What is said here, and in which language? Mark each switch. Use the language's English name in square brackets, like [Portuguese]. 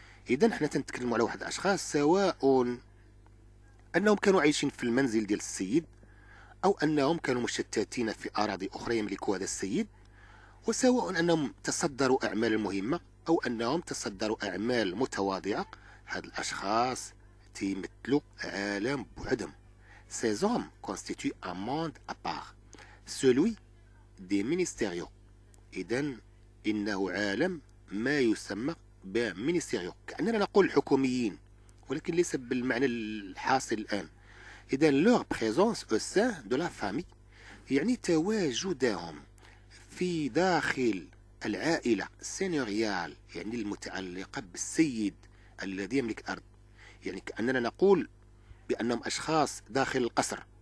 [Arabic] اذا حنا تنتكلموا على واحد الاشخاص سواء انهم كانوا عايشين في المنزل ديال السيد، أو أنهم كانوا مشتتين في أراضي أخرى يملكها هذا السيد، وسواء أنهم تصدروا أعمال مهمة أو أنهم تصدروا أعمال متواضعة، هاد الأشخاص تيمثلوا عالم بعدهم. [French] Ces hommes constituent un monde à part، celui des ministériaux. [Arabic] إذن إنه عالم ما يسمى بمينيستيريو، كأننا نقول حكوميين، ولكن ليس بالمعنى الحاصل الآن. إذا [French] leur présence au sein de la famille، [Arabic] يعني تواجدهم في داخل العائلة سينيوريال، يعني المتعلقة بالسيد الذي يملك الأرض، يعني كأننا نقول بأنهم أشخاص داخل القصر